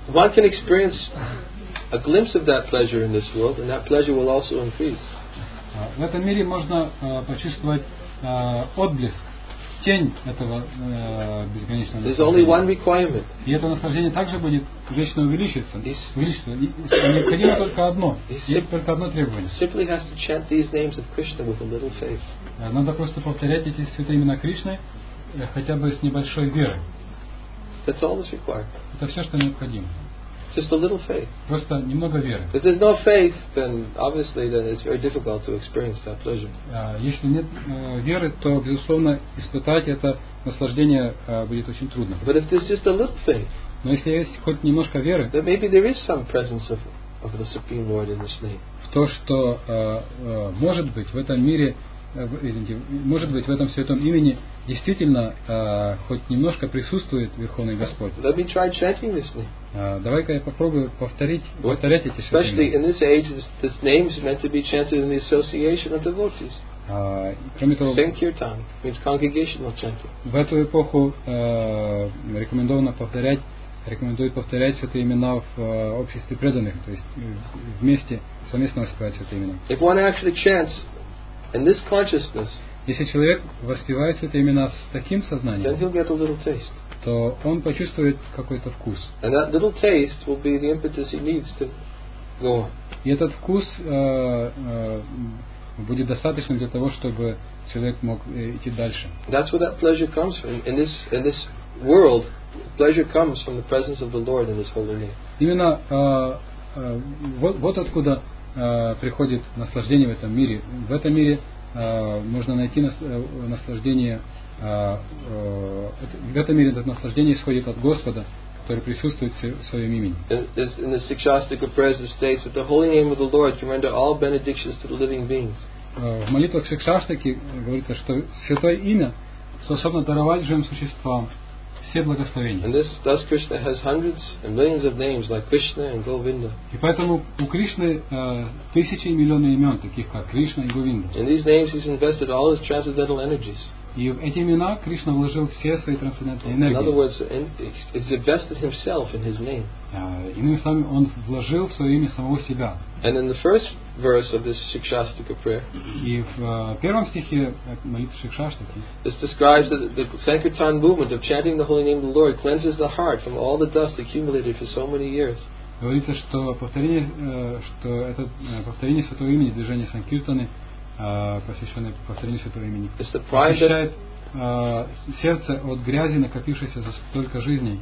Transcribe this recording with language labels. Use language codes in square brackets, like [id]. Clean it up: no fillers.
[en] One can experience a glimpse of that pleasure in this world, and that pleasure will also increase. [ru] В этом мире можно почувствовать отблеск. Тень этого безграничного [en] There's only one requirement. [ru] И это наслаждение также будет вечно увеличиться. Необходимо только одно. Только одно требование. [en] Simply has to chant these names of Krishna with a little faith. [ru] Надо просто повторять эти святые имена Кришны хотя бы с небольшой верой. [en] That's all that's required. [ru] Это все, что необходимо. [en] Just a little faith. [ru] Просто немного веры. [en] If there's no faith, then obviously then it's very difficult to experience that pleasure. [ru] Если нет веры, то безусловно испытать это наслаждение будет очень трудно. [en] But if there's just a little faith, [ru] но если есть хоть немножко веры, [en] then maybe there is some presence of the Supreme Lord in this name. [ru] В то, что может быть в этом мире, извините, может быть в этом святом имени действительно хоть немножко присутствует Верховный Господь. [en] Let me try chanting this name. [ru] Давай-ка я попробую повторять эти святые. [en] Especially in this age, this name is meant to be chanted in the association of devotees. [ru] Кроме того, [en] Sankirtan means congregational chanting. [ru] В эту эпоху рекомендуют повторять святые имена в обществе преданных, то есть вместе совместно воспевать святые имена. [en] If one actually chants in this consciousness, [ru] Если человек воспевается это именно с таким сознанием, [en] then he'll get a little taste. [ru] То он почувствует какой-то вкус. [en] And that little taste will be the impetus he needs to go. [ru] И этот вкус будет достаточным для того, чтобы человек мог идти дальше. [en] That's where that pleasure comes from. In this world, pleasure comes from the presence of the Lord in His holy name. [ru] Именно вот откуда приходит наслаждение в этом мире. В этом мире можно найти наслаждение. В этом мире это наслаждение исходит от Господа, который присутствует в своем имени. [en] In the Sikshastika prayers, it states that the holy name of the Lord can render all benedictions to the living beings. [ru] В молитвах Сикшаштаки говорится, что святое имя способно даровать живым существам все благословения. [en] And thus Krishna has hundreds and millions of names like Krishna and Govinda. [ru] И поэтому у Кришны тысячи и миллионы имен, таких как Кришна и Говинда. [en] In these names he's invested all his transcendental energies. [ru] И в эти имена Кришна вложил все свои трансцендентные энергии. [en] In other words, he's invested himself in his name. [ru] Иными словами, он вложил в свое имя самого себя. [en] And in the first verse of this Sikshastika prayer, [ru] и в первом стихе молитвы Сикшаштаки, [en] this describes that the Sankirtan movement of chanting the holy name of the Lord cleanses the heart from all the dust accumulated for so many years. [ru] Говорится, что это повторение святого имени, движение Санкиртаны, посвященное повторению святого имени, очищает сердце от грязи, накопившейся за столько жизней.